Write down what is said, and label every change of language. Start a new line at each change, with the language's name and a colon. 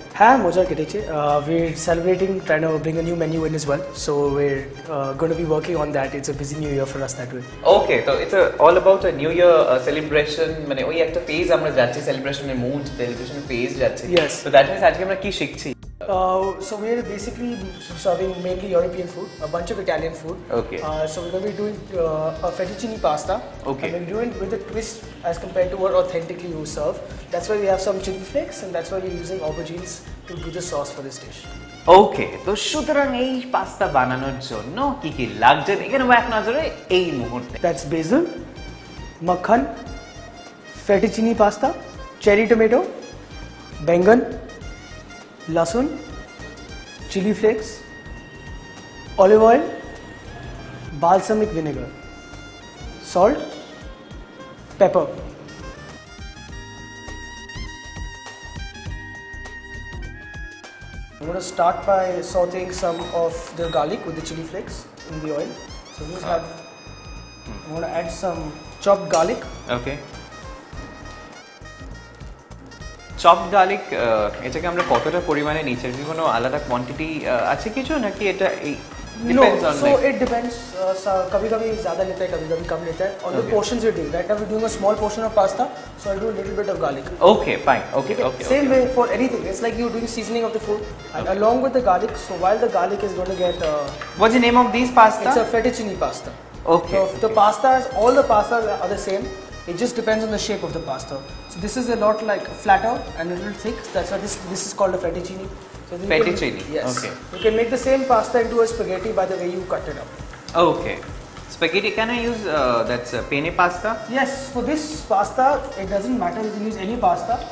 Bangla: হ্যাঁ মজা কেটেছে।
English: We are celebrating, trying to bring a new menu in as well, so we are gonna be working on that. It's a busy new year for us that way.
Bangla: ওকে, তো
English: it's all about a new year celebration,
Bangla: মানে ওই একটা phase আমরা যাচ্ছি সেলিব্রেশনের mood, celebration phase যাচ্ছি।
English: yes,
Bangla: so that means আজকে আমরা কি শিখছি?
English: So we are basically serving mainly European food, a bunch of Italian food. Okay. So we're going to be doing a fettuccine pasta. Okay. And we're doing it with a twist as compared to what authentically you serve. That's why we have some chili flakes and that's why we're using aubergines to do the sauce for this dish. Okay.
Bangla: So সুতরাং এই pasta বানানোর জন্য কি কি লাগছে এখানে এক নজরে এই মুহূর্তে?
English: That's basil, makhan, fettuccine pasta, cherry tomato, baingan, লসুন, chili flakes, olive oil, balsamic vinegar, salt, pepper. I'm going to start by sauteing some of the garlic with the chili flakes in the oil. So we have, I'm going to add some chopped garlic. Okay.
Bangla: Chopped garlic, এটাকে আমরা কতটা পরিমাণে নিচ্ছি, কি কোনো আলাদা quantity আছে কিছু নাকি এটা এই
English: Depends on? So it depends,
Hindi: কবি কবি জাদা নিতে কবি কবি কম নিতে
English: On the portions you do. Right now we doing a small portion of pasta, so I do a little bit of garlic. Okay fine, okay okay. Same way for anything, it's like you doing seasoning of the food along with the garlic. So while the garlic is gonna get, what is name of this pasta? It's a fettuccine pasta. Okay, the pasta is all the pasta are the same, it just depends on the shape of the pasta. So this is a lot like flatter and a little thick, that's why this is called a fettuccine. So fettuccine, yes. Okay, you can make the same pasta into a spaghetti by the way you cut it up. Okay, spaghetti, can I use that's penne pasta? Yes, for this pasta it doesn't matter, you can use any pasta.